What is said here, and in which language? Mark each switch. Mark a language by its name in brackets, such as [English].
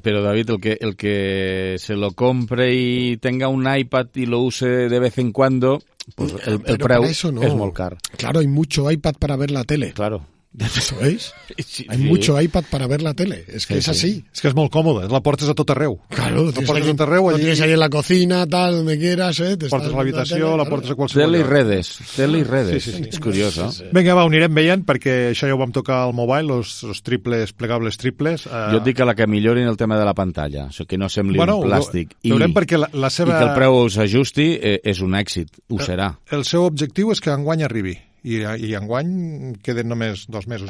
[Spanish] Pero, David, el que se lo compre y tenga un iPad y lo use de vez en cuando, pues el precio no. [Catalan] Es molt car. [Spanish] Claro, hay mucho iPad para ver la tele. Claro. ¿Eso veis? Sí, hay mucho iPad para ver la tele. Es que sí, es así. Es que es muy cómodo. [Catalan] La portes a tot arreu. Claro, la portes a tot arreu. [Spanish] Lo tienes ahí en la cocina, tal, donde quieras. [Catalan] Te portes a l'habitació, la portes a qualsevol. Tele i redes. Tele i redes. Sí, sí, sí. És curiós, no? Sí, sí. Vinga, va, ho anirem veient, perquè això ja ho vam tocar al mobile, els triples, plegables triples. Jo et dic que la que millorin el tema de la pantalla, que no sembli bueno, un plàstic. Veurem perquè la seva... I que el preu s'ajusti, és un èxit. Ho serà. El seu objectiu és que enguany arribi. I enguany queden només 2 mesos.